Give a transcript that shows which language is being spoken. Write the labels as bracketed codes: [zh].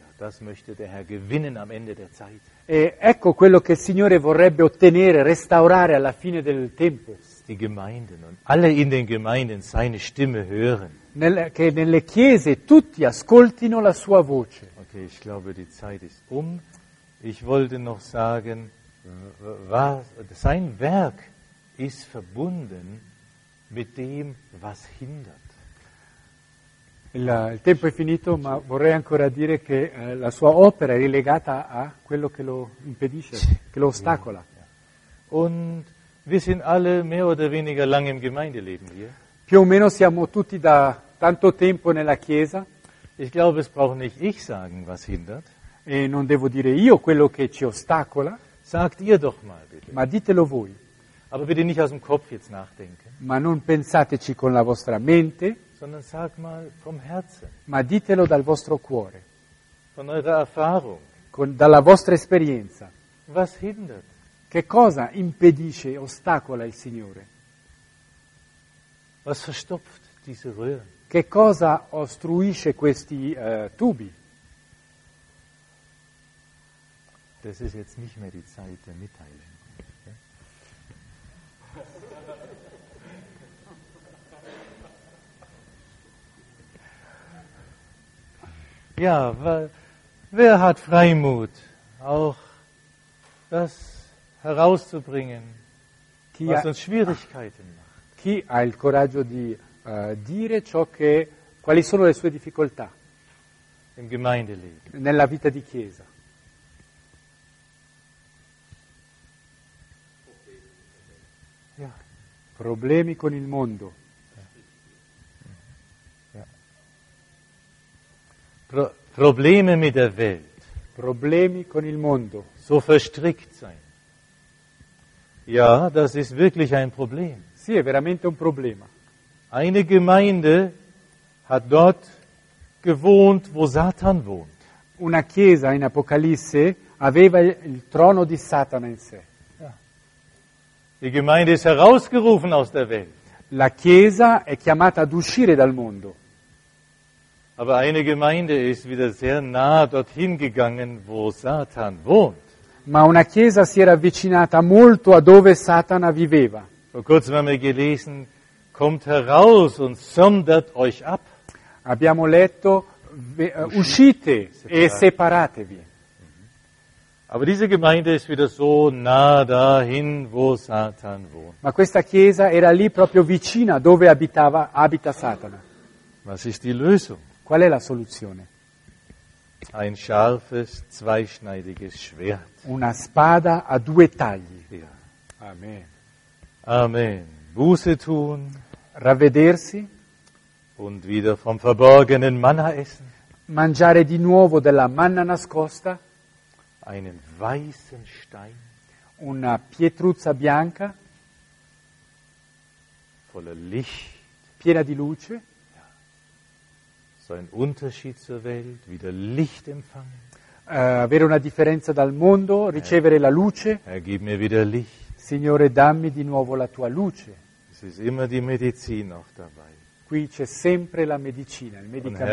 [de] Das möchte der Herr gewinnen am Ende der Zeit. [it] E ecco quello che il Signore vorrebbe ottenere, restaurare alla fine del tempo. [de] Die Gemeinden und alle in den Gemeinden seine Stimme hören. [it] Che nelle chiese tutti ascoltino la sua voce. [de] Okay, ich glaube, die Zeit ist um. Ich wollte noch sagen, was, sein Werk ist verbunden mit dem, was hindert. [it] Il tempo è finito, ma vorrei ancora dire che la sua opera è legata a quello che lo impedisce, che lo ostacola. [de] Und wir sind alle mehr oder weniger lange im Gemeindeleben hier. [it] Più o meno siamo tutti da tanto tempo nella chiesa. [de] Ich glaube, es braucht nicht ich sagen, was hindert. [it] E non devo dire io quello che ci ostacola. [de] Sagt ihr doch mal bitte. [it] Ma ditelo voi. [de] Aber bitte nicht aus dem Kopf jetzt nachdenken. [it] Ma non pensateci con la vostra mente. [de] Sondern sag mal vom Herzen. [it] Ma ditelo dal vostro cuore. [de] Von eurer Erfahrung. [it] Dalla vostra esperienza. [de] Was hindert? [it] Che cosa impedisce, ostacola il Signore? [de] Was verstopft diese Röhren? [it] Che cosa ostruisce questi tubi? [de] Das ist jetzt nicht mehr die Zeit der Mitteilung. Ja, wer hat Freimut, auch das herauszubringen, was uns Schwierigkeiten macht? [it] Chi ha il coraggio di dire ciò che, quali sono le sue difficoltà? [de] Im Gemeindeleben. [it] Nella vita di chiesa. [de] Ja. [it] Problemi con il mondo. [de] Ja. Probleme mit der Welt. [it] Problemi con il mondo. [de] So verstrickt sein. Ja, das ist wirklich ein Problem. [it] Sì, è veramente un problema. [de] Eine Gemeinde hat dort gewohnt, wo Satan wohnt. [it] Una chiesa in Apocalisse aveva il trono di Satana in sé. [de] Ja. Die Gemeinde ist herausgerufen aus der Welt. [it] La chiesa è chiamata ad uscire dal mondo. [de] Aber eine Gemeinde ist wieder sehr nah dorthin gegangen, wo Satan wohnt. [it] Ma una chiesa si era avvicinata molto a dove Satana viveva. [de] Vor kurzem haben wir gelesen, kommt heraus und sondert euch ab. [it] Abbiamo letto, uscite e separatevi. [de] Aber diese Gemeinde ist wieder so nah dahin, wo Satan wohnt. [it] Ma questa chiesa era lì proprio vicina dove abita Satana. [de] Was ist die Lösung? [it] Qual è la soluzione? [de] Ein scharfes, zweischneidiges Schwert. [it] Una spada a due tagli. [de] Ja. Amen. Amen. Buße tun. [it] Ravvedersi. [de] Und wieder vom verborgenen Manna essen. [it] Mangiare di nuovo della manna nascosta. [de] Einen weißen Stein. [it] Una pietruzza bianca. [de] Voller Licht. [it] Piena di luce. [de] So ein Unterschied zur Welt, wieder Licht empfangen. [it] Avere una differenza dal mondo, ricevere la luce. [de] Herr, gib mir wieder Licht. [it] Signore, dammi di nuovo la tua luce. [de] Es ist immer die Medizin auch dabei. [it] Qui c'è sempre la medicina, il medicamento.